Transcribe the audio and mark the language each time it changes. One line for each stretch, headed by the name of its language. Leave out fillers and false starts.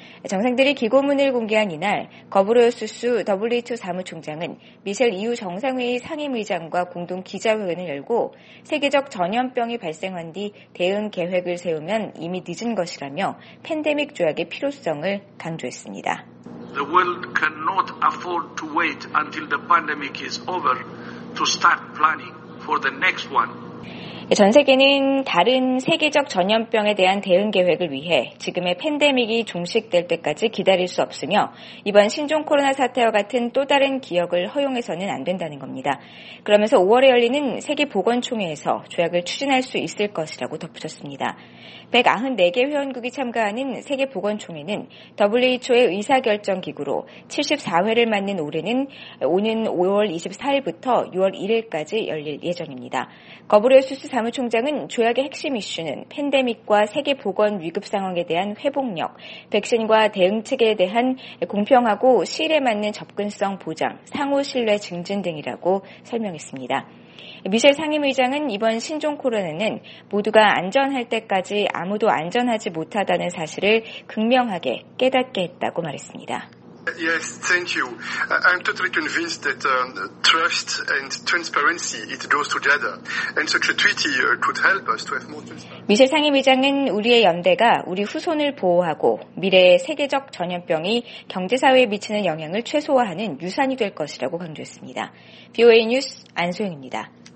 Korean: 정상들이 기고문을 공개한 이날 거브로우스 WHO 사무총장은 미셸 EU 정상회의 상임의장과 공동 기자회견을 열고 세계적 전염병이 발생한 뒤 대응 계획을 세우면 이미 늦은 것이라며 팬데믹 조약의 필요성을 강조했습니다.
English: The world cannot afford to wait until the pandemic is over to start planning for the next one.
Korean: 전 세계는 다른 세계적 전염병에 대한 대응 계획을 위해 지금의 팬데믹이 종식될 때까지 기다릴 수 없으며 이번 신종 코로나 사태와 같은 또 다른 기억을 허용해서는 안 된다는 겁니다. 그러면서 5월에 열리는 세계보건총회에서 조약을 추진할 수 있을 것이라고 덧붙였습니다. 194개 회원국이 참가하는 세계보건총회는 WHO의 의사결정기구로 74회를 맞는 올해는 오는 5월 24일부터 6월 1일까지 열릴 예정입니다. 거브로우스 사무총장은 조약의 핵심 이슈는 팬데믹과 세계보건 위급 상황에 대한 회복력, 백신과 대응체계에 대한 공평하고 실에 맞는 접근성 보장, 상호 신뢰 증진 등이라고 설명했습니다. 미셸 상임의장은 이번 신종 코로나는 모두가 안전할 때까지 아무도 안전하지 못하다는 사실을 극명하게 깨닫게 했다고 말했습니다.
English: Yes, thank you. I'm totally convinced that trust and transparency, it goes together. And such a treaty could help us to have more transparency.
Korean: 미셸 상임의장은 우리의 연대가 우리 후손을 보호하고 미래의 세계적 전염병이 경제사회에 미치는 영향을 최소화하는 유산이 될 것이라고 강조했습니다. VOA 뉴스 안소영입니다.